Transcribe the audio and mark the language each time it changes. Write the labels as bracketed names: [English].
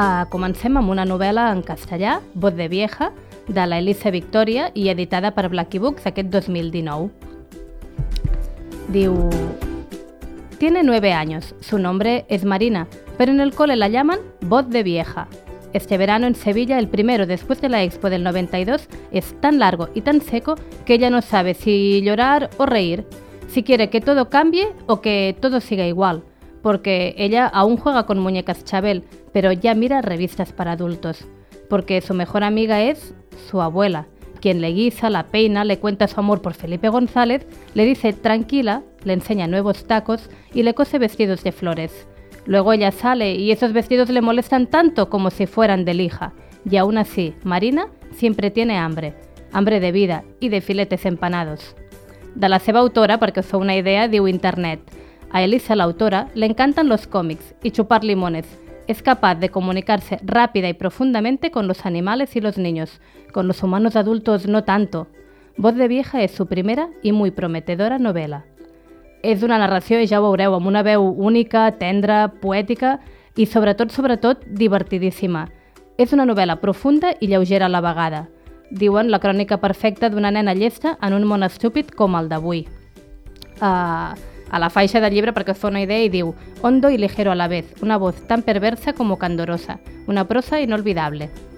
[Catalan] Comencem amb una novel·la en castellà, Voz de Vieja, de la Elisa Victoria i editada per Blacky Books aquest 2019. Diu... [Spanish] Tiene 9 años, su nombre es Marina, pero en el cole la llaman Voz de Vieja. Este verano en Sevilla, el primero después de la expo del 92, es tan largo y tan seco que ella no sabe si llorar o reír, si quiere que todo cambie o que todo siga igual, porque ella aún juega con muñecas Chabel, pero ya mira revistas para adultos, porque su mejor amiga es su abuela, quien le guisa, la peina, le cuenta su amor por Felipe González, le dice tranquila, le enseña nuevos tacos y le cose vestidos de flores. Luego ella sale y esos vestidos le molestan tanto como si fueran de lija. Y aún así, Marina siempre tiene hambre. Hambre de vida y de filetes empanados. [Catalan] De la seva autora, perquè us fa una idea, diu Internet. [Spanish] A Elisa, l'autora, le encantan los cómics y chupar limones. Es capaz de comunicarse rápida y profundamente con los animales y los niños. Con los humanos adultos no tanto. Voz de Vieja es su primera y muy prometedora novela. [Catalan] És una narració, i ja ho veureu, amb una veu única, tendra, poètica i, sobretot, divertidíssima. És una novel·la profunda i lleugera a la vegada. Diuen la crònica perfecta d'una nena llesta en un món estúpid com el d'avui. A la faixa del llibre, perquè us fa una idea, hi diu [Spanish] «Hondo y ligero a la vez, una voz tan perversa como candorosa, una prosa inolvidable».